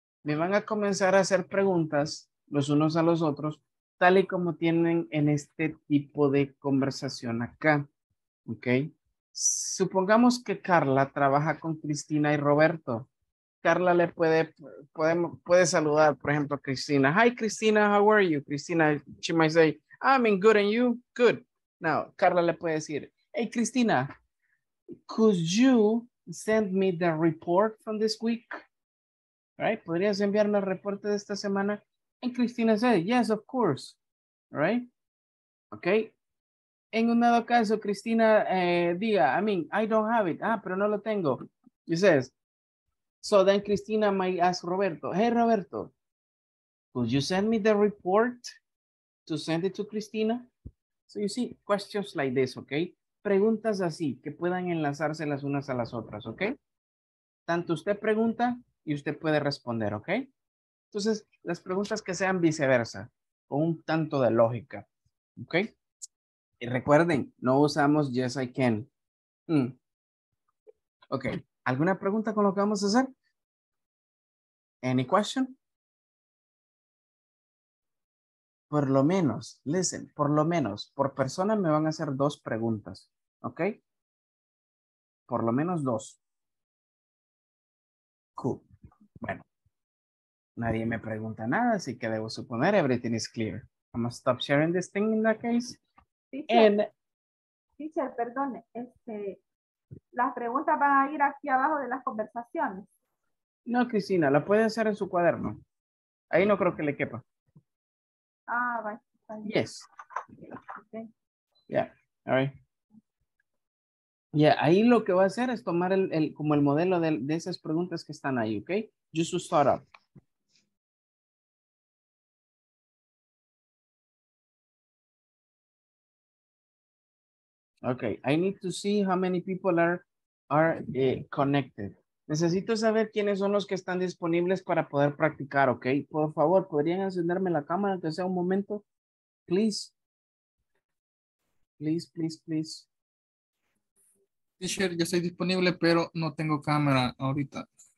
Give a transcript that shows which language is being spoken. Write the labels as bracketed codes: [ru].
[es] Me van a comenzar a hacer preguntas los unos a los otros, tal y como tienen en este tipo de conversación acá, okay. Supongamos que Carla trabaja con Cristina y Roberto. Carla le puede saludar, por ejemplo, a Cristina. [en] Hi, Cristina, how are you? Cristina, she might say, I'm in good, and you? Good. Now, [es] Carla le puede decir, [en] hey, Cristina, could you send me the report from this week? Right? [es] ¿Podrías enviarme el reporte de esta semana? [en] And Cristina said, yes, of course. Right? Okay. [es] En un dado caso, Cristina diga, [en] I mean, I don't have it. [es] Ah, pero no lo tengo. [en] He says, so then Cristina might ask Roberto, hey, Roberto, could you send me the report to send it to Cristina? So you see, questions like this, okay? [es] Preguntas así, que puedan enlazarse las unas a las otras, okay? Tanto usted pregunta y usted puede responder, okay? Entonces, las preguntas que sean viceversa, con un tanto de lógica, okay? Y recuerden, no usamos [en] yes, I can. [es] Okay. ¿Alguna pregunta con lo que vamos a hacer? [en] Any question? [es] Por lo menos, listen, por lo menos, por persona me van a hacer dos preguntas, ¿ok? Por lo menos dos. Cool. Bueno, nadie me pregunta nada, así que debo suponer [en] everything is clear. I'm gonna stop sharing this thing in that case. [es] Teacher, perdone, las preguntas van a ir aquí abajo de las conversaciones. No, Cristina, la puede hacer en su cuaderno. Ahí no creo que le quepa. Ah, va. Vale. [en] Yes. Okay. Yeah, all right. [es] Yeah, ahí lo que va a hacer es tomar el como el modelo de esas preguntas que están ahí, okay? [en] Just to start up. Okay, I need to see how many people are connected. [es] Necesito saber quiénes son los que están disponibles para poder practicar, okay? Por favor, ¿podrían encenderme la cámara que sea un momento? [en] Please. Please, please, please. [es] Teacher, yo soy disponible, pero no tengo cámara ahorita.